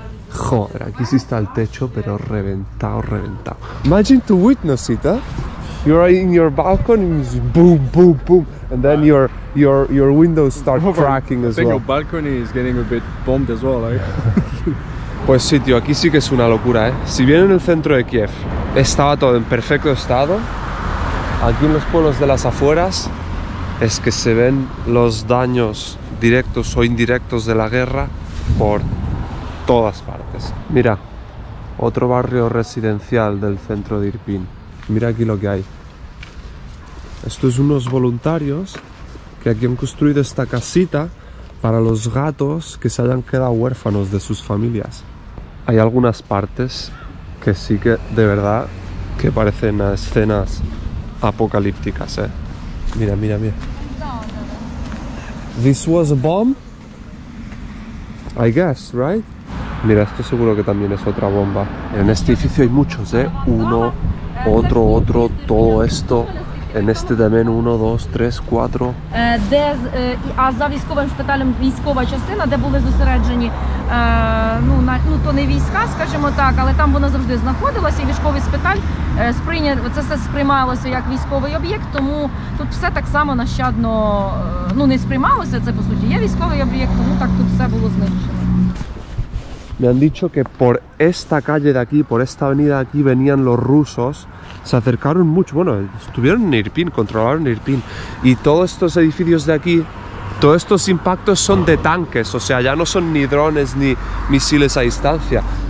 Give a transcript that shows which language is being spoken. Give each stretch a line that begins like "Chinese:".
Spanish: Joder, aquí sí está el techo, pero reventado.
English: Imagine to witness it, You're in your balcony, boom, and then your windows start cracking as well. I think your balcony is getting a bit bombed as well, right?
Spanish: Pues sí, tío, aquí sí que es una locura, ¿eh? Si bien en el centro de Kiev estaba todo en perfecto estado, aquí en los pueblos de las afueras es que se ven los daños directos o indirectos de la guerra por todas partes. Mira, otro barrio residencial del centro de Irpin. Mira aquí lo que hay. Esto es unos voluntarios que aquí han construido esta casita para los gatos que se hayan quedado huérfanos de sus familias. Hay algunas partes que sí que, de verdad, que parecen a escenas apocalípticas, ¿eh? Mira, mira, mira.
English: This was a bomb, I guess, right?
Spanish: Mira, esto seguro que también es otra bomba. En este edificio hay muchos, ¿eh? Uno, otro, otro, todo esto. En este también, uno, dos, tres, cuatro.
Ukrainian: A za військовим шпиталем військова частина, де були зосереджені, ну, на, ну, то не війська, скажімо так, але там воно завжди знаходилося, і військовий шпиталь сприйняв, це все сприймалося як військовий об'єкт, тому тут все так само нащадно, ну, не сприймалося, це по суті є військовий об'єкт, тому так тут все було знищено.
Spanish: Me han dicho que por esta calle de aquí, por esta avenida de aquí, venían los rusos. Se acercaron mucho. Bueno, estuvieron en Irpin, controlaron Irpin. Y todos estos edificios de aquí, todos estos impactos son de tanques. O sea, ya no son ni drones ni misiles a distancia.